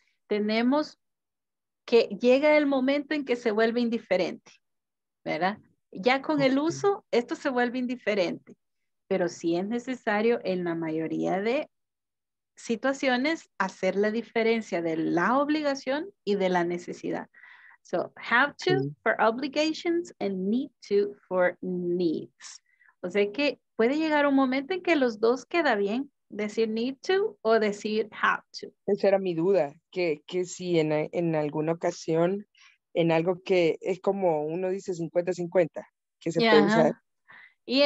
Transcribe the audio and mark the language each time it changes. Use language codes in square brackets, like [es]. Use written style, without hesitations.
[es] Tenemos que llega el momento en que se vuelve indiferente, ¿verdad? Ya con el uso, esto se vuelve indiferente, pero sí es necesario en la mayoría de situaciones hacer la diferencia de la obligación y de la necesidad. [en] So, have to for obligations and need to for needs. [es] O sea que puede llegar un momento en que los dos queda bien, decir need to o decir have to. Esa era mi duda, que si en alguna ocasión, en algo que es como uno dice 50-50, que se, yeah, puede usar. [en] Yes.